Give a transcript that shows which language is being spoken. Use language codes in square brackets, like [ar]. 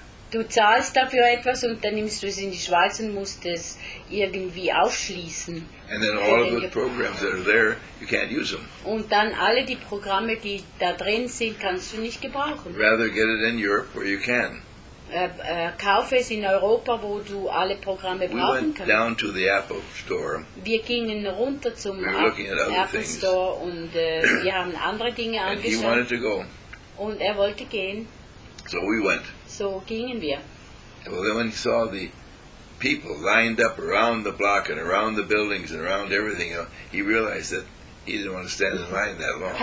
[de] Du zahlst dafür etwas und dann nimmst du es in die Schweiz und musst es irgendwie aufschließen. [en] And then all of the programs that are there, you can't use them. [de] Und dann alle die Programme, die da drin sind, kannst du nicht gebrauchen. [en] Rather get it in Europe where you can. [de] Kaufe es in Europa, wo du alle Programme brauchen kannst. [en] We went down to the Apple Store. [de] Wir gingen runter zum Apple Store und wir haben andere Dinge angeschaut. [en] And he wanted to go. [de] Und er wollte gehen. [en] So we went. [de] So gingen wir. [en] Well, then when he saw the people lined up around the block and around the buildings and around everything, you know, he realized that He didn't want to stand in line that long.